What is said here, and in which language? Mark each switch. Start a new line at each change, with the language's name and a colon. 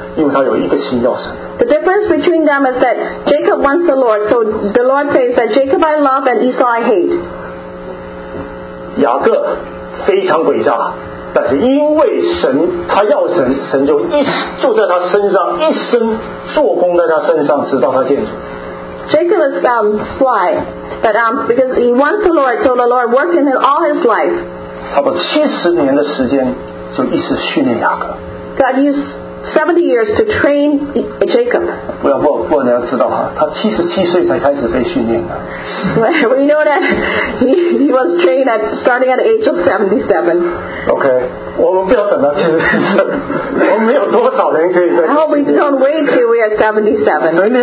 English: The difference between them is that Jacob wants the Lord, so the Lord says that Jacob I love and Esau I hate.
Chinese: 雅各非常诡诈，但是因为神他要神，神就一直住在他身上，一生做工在他身上，直到他见主。
English: Jacob is sly, but because he wants the Lord, so the Lord worked in him all his life.
Chinese: 差不多70年的时间，就一直训练雅各。
English: God used 70 years to train Jacob.
Chinese: 不然你要知道，他77岁才开始被训练的。
English: We know that he was trained at starting at the age of 77.
Chinese: Okay, 我们不要等到77岁，我们没有多少人可以在。
English: I hope we don't wait till we are 77.